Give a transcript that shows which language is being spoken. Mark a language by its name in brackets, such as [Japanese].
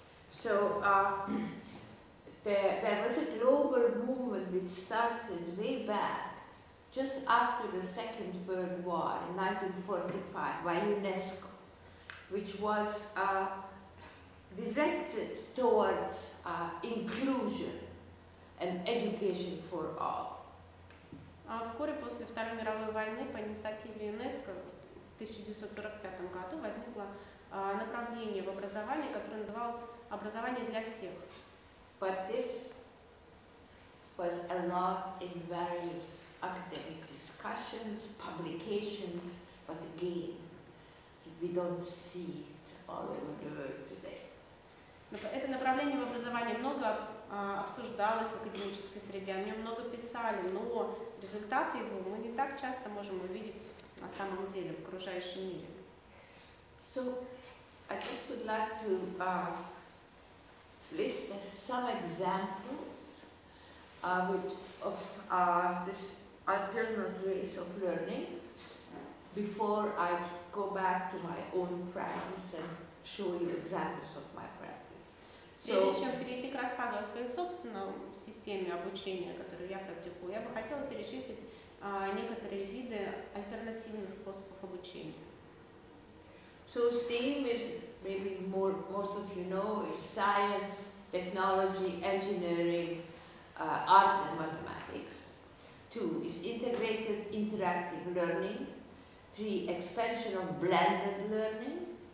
[English] So, there was a global movement which started way back, just after the Second World War in 1945, by UNESCO, which was directed towards inclusion and education for all. [Russian] Вскоре после Второй мировой войны по инициативе UNESCO, в 1945 году возникло направление в образовании, которое называлось «Образование для всех». [English] But this was a lot in various academic discussions, publications, but again, we don't see it all over the world today. [Russian] Это направление в образовании много обсуждалось в академической среде, о нем много писали, но результаты его мы не так часто можем увидеть на самом деле, в окружающем мире. [English] So, I just would like to list some examples of this alternative ways of learning before I go back to my own practice and show you examples of my practice. [Russian] Прежде чем перейти к рассказу о своей собственной системе обучения, которую я практикую, я бы хотела перечислить некоторые виды альтернативных способов обучения. [English] So STEAM is maybe more, most of you know, is science, technology, engineering, art and mathematics. Two is integrated interactive learning. Three, expansion of blended learning.